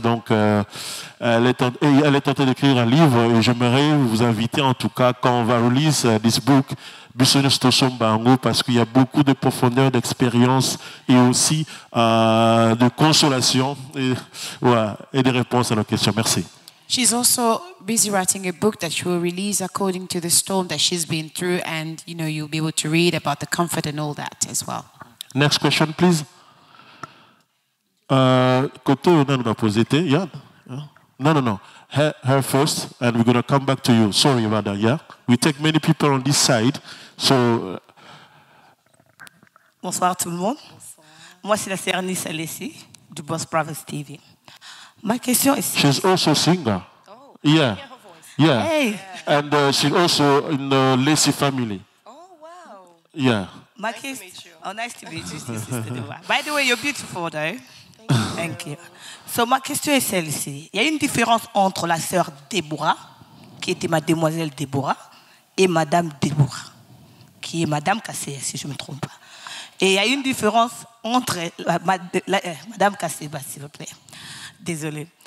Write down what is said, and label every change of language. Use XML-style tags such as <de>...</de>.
<fr>Donc, elle est en train d'écrire un livre et j'aimerais vous inviter, en tout cas, quand on va</fr> <en>release this book,</en> <fr>parce qu'il y a beaucoup de profondeur d'expérience et aussi de consolation et, voilà, et des réponses à nos questions. Merci.</fr> <en>She's also busy writing a book that she will release according to the storm that she's been through, and you know, you'll be able to read about the comfort and all that as well. Next question, please.</en> <fr>Côté, on a posé,</fr> <en>yeah? No. Her first, and we're going to come back to you. Sorry about that, yeah? We take many people on this side, so...</en> <fr>Bonsoir tout le monde. Bonsoir. Moi, c'est la sœur Nice Alessi, du Boss Brothers TV. Ma question est...</fr> <en>She's also a singer. Oh, yeah. Yeah. Hey. Yeah. And she's also in the Lacey family. Oh, wow. Yeah. My nice to meet you. Oh, nice to meet you, sister Deborah. By the way, you're beautiful, though. Thank you.</en> <fr>So, ma question est celle-ci. Il y a une différence entre la sœur Deborah, qui était ma demoiselle Deborah, et Madame Deborah, qui est Madame Cassé, si je ne me trompe pas. Et il y a une différence entre... Madame Cassé, bah, s'il vous plaît. Désolée.</fr>